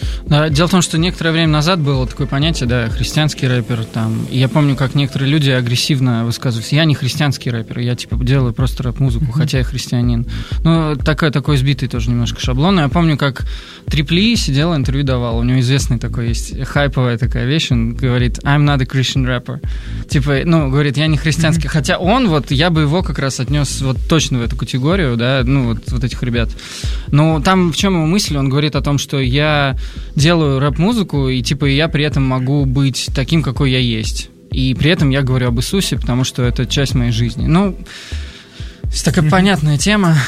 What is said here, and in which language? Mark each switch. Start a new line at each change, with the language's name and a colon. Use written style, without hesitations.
Russian: Да, дело в том, что некоторое время назад было такое понятие, да, христианский рэпер там. И я помню, как некоторые люди агрессивно высказывались: я не христианский рэпер, я типа делаю просто рэп-музыку, mm-hmm. хотя я христианин. Ну, такой сбитый тоже немножко шаблон. Я помню, как Трип Ли сидел, интервью давал. У него известный такой есть хайповая такая вещь. Он говорит:
English: I'm not a Christian rapper.
Russian: Типа, ну, говорит, я не христианский. Mm-hmm. Хотя он, вот я бы его как раз отнес вот точно в эту категорию, да, ну, вот этих ребят. Но там в чем его мысль? Он говорит о том, что я делаю рэп-музыку, и типа я при этом могу быть таким, какой я есть. И при этом я говорю об Иисусе, потому что это часть моей жизни. Ну, такая понятная тема.